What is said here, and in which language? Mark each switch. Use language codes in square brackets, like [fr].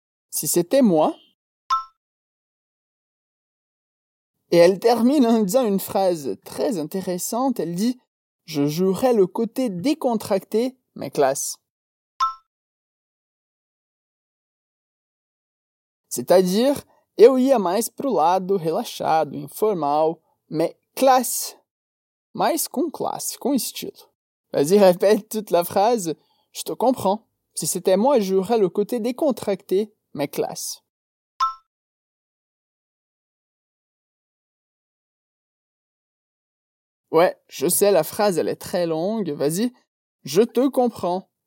[fr] Si c'était moi. Et elle termine en disant une phrase très intéressante. Elle dit « Je jouerais le côté décontracté, mais classe ». C'est-à-dire, [pt] eu ia mais pro lado relaxado, informal, [fr] mais classe. [pt] Mais com classe, com estilo. [fr] Vas-y, répète toute la phrase. Je te comprends. Si c'était moi, j'aurais le côté décontracté, mais classe. Ouais, je sais, la phrase, elle est très longue. Vas-y. Je te comprends.